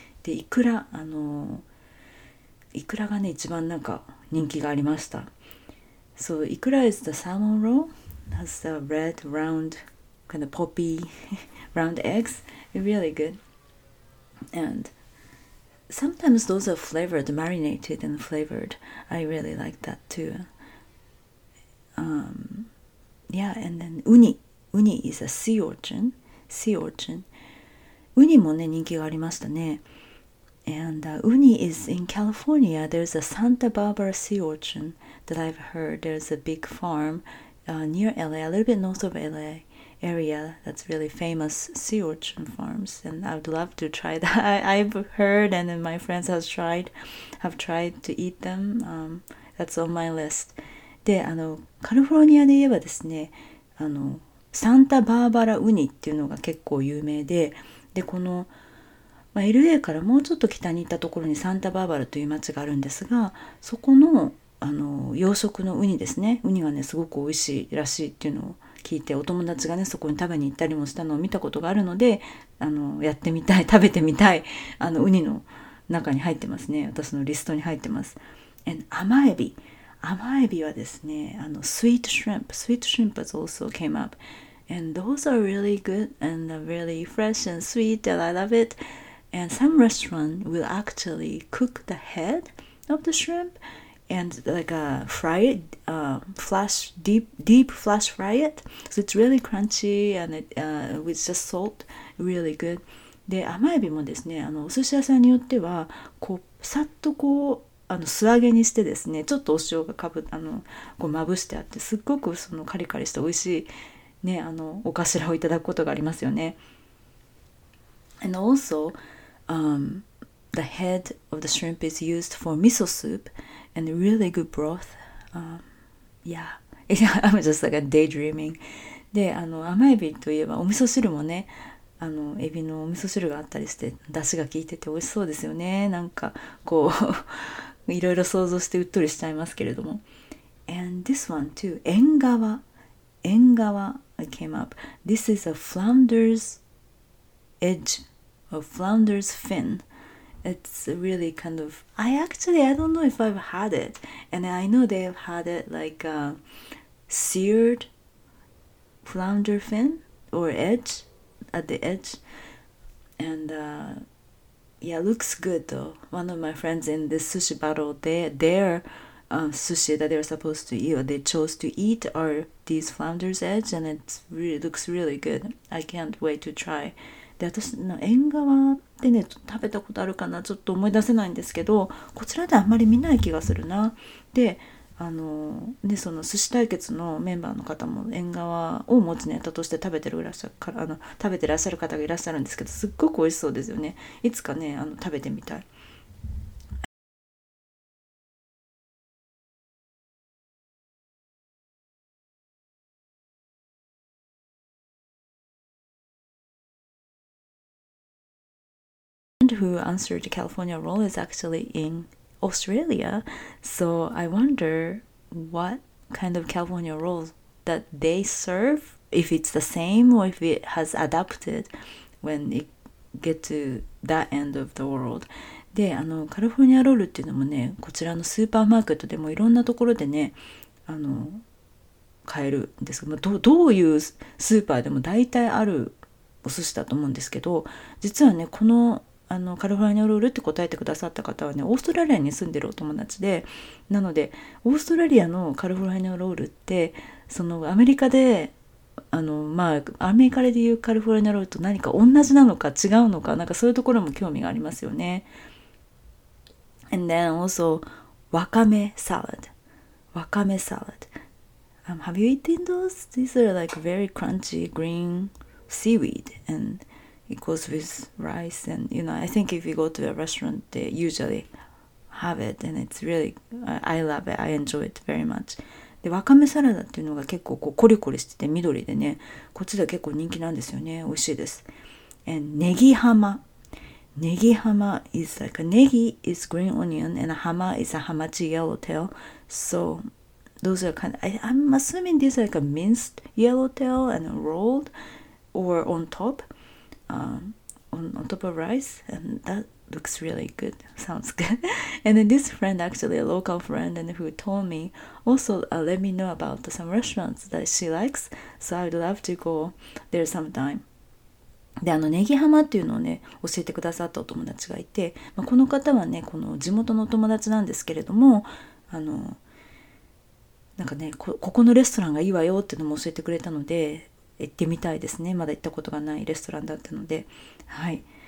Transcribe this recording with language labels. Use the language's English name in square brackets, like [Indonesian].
[Japanese] で、イクラ、イクラがね一番なんか人気がありました。 [English] So イクラ is the salmon roe, has the red round kind of poppy round eggs. Really good. And sometimes those are flavored, marinated and flavored. I really like that too. Yeah, and then ウニ is a sea urchin. [Japanese] ウニもね人気がありましたね。 [English] And uni is in California. There's a Santa Barbara sea urchin that I've heard. There's a big farm near LA, a little bit north of LA area, that's really famous sea urchin farms. And I would love to try that. I've heard, and then my friends have tried to eat them. That's on my list. [Japanese] で、カリフォルニアで言えばですね、サンタバーバラウニっていうのが結構有名で、で、このまあ、LA からもうちょっと北に行ったところにサンタバーバラという町があるんですが、そこの、養殖のウニですね。ウニがね、すごく美味しいらしいっていうのを聞いて、お友達がね、そこに食べに行ったりもしたのを見たことがあるので、やってみたい、食べてみたい、ウニの中に入ってますね。私のリストに入ってます。 [English] And 甘エビ。 [Japanese] 甘エビはですね、 [English] Sweet shrimp has also came up. And those are really good and really fresh and sweet, and I love it. And some restaurant will actually cook the head of the shrimp and like fry it, deep flash fry it. So it's really crunchy and with just salt, really good. [Japanese] で、甘エビもですね、お寿司屋さんによっては、こう、さっとこう、素揚げにしてですね、ちょっとお塩がかぶ、こうまぶしてあって、すっごくそのカリカリして美味しいね、あのお頭をいただくことがありますよね。 [English] And also、the head of the shrimp is used for miso soup and really good broth、yeah. I'm just like a daydreaming. [Japanese] で、あの甘エビといえばお味噌汁もね、あのエビのお味噌汁があったりして出汁が効いてて美味しそうですよね。なんかこういろいろ想像してうっとりしちゃいますけれども。 [English] And this one too, 縁側、縁側 I came up. This is a flounder's edge, a flounder's fin. It's really kind of, I don't know if I've had it. And I know they've had it like a seared flounder fin or edge, at the edge. And、yeah, looks good though. One of my friends in this sushi battle, they're,sushi that they're supposed to eat or they chose to eat are these flounder's edge, and it really, looks really good. I can't wait to try. [Japanese] で、私の縁側でね、食べたことあるかな、ちょっと思い出せないんですけど、こちらであんまり見ない気がするな。で、あの、で、その寿司対決のメンバーの方も縁側を持つネタとして食べてるらっしゃるから、あの、食べてらっしゃる方がいらっしゃるんですけど、すっごく美味しそうですよね。いつかね、あの、食べてみたい。 [English] Who answered the California roll is actually in Australia, so I wonder what kind of California roll that they serve, if it's the same or if it has adapted when it get to that end of the world. [Japanese] で、あのカリフォルニアロールっていうのもね、こちらのスーパーマーケットでもいろんなところでね、あの買えるんですけど、どういうスーパーでも大体あるお寿司だと思うんですけど、実はね、このあのカリフォルニアロールって答えてくださった方はね、オーストラリアに住んでるお友達で、なのでオーストラリアのカリフォルニアロールって、そのアメリカで、あの、まあ、アメリカで言うカリフォルニアロールと何か同じなのか違うのか、なんかそういうところも興味がありますよね。 [English] And then also わかめサラダ、わかめサラダ、 Have you eaten those? These are like very crunchy green seaweed andIt goes with rice, and you know, I think if you go to a restaurant, they usually have it, and it's really, I love it, I enjoy it very much. [Japanese] で、わかめサラダっていうのが結構こうコリコリしてて緑でね、こっちで結構人気なんですよね、美味しいです。 [English] And ネギハマ、ネギハマ is like, ネギ is green onion, and ハマ is a ハマチ yellow tail. So those are kind of, I'm assuming these are like a minced yellow tail and rolled or on top. On top of rice, and that looks really good, sounds good. And then this friend, actually a local friend, and who told me also、let me know about some restaurants that she likes, so I would love to go there sometime. [Japanese] で、あのネギ浜っていうのをね、教えてくださったお友達がいて、まあ、この方はね、この地元のお友達なんですけれども、あのなんかね、ここのレストランがいいわよっていうのも教えてくれたので、行ってみたいですね。まだ行ったことがないレストランだったので、はい。